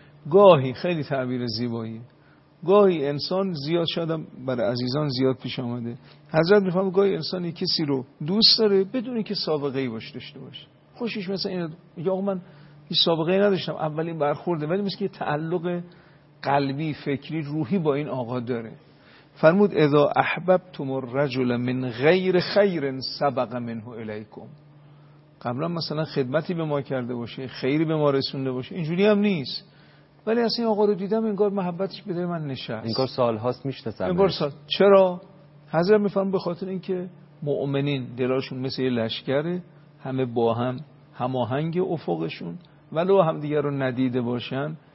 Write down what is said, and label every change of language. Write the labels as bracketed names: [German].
[Persian] گاهی خیلی تعبیر زیباییه، گاهی انسان زیاد، شاید هم برای عزیزان زیاد پیش آمده، حضرت میفهمه گاهی انسان یک کسی رو دوست داره بدون اینکه سابقه ای باش داشته باشه. خوشش مثلا اینه میگه آقا من هیچ سابقه ای نداشتم، اولین برخورده، ولی مثل که تعلق قلبی فکری روحی با این آقا داره. فرمود [Arabic] اذا احببتم الرجل من غیر خیر سبق منه الیکم. [Persian] قبلا مثلا خدمتی به ما کرده باشه، خیری به ما رسونده باشه، اینجوری هم نیست، ولی اصلا این آقا رو دیدم انگار محبتش به دل من نشست، انگار سالهاست میشناسم، انگار سال. چرا؟ حضرت میفرمون به خاطر اینکه مؤمنین دلاشون مثل یه لشکره، همه با هم هماهنگ افقشون، ولو هم دیگر رو ندیده باشن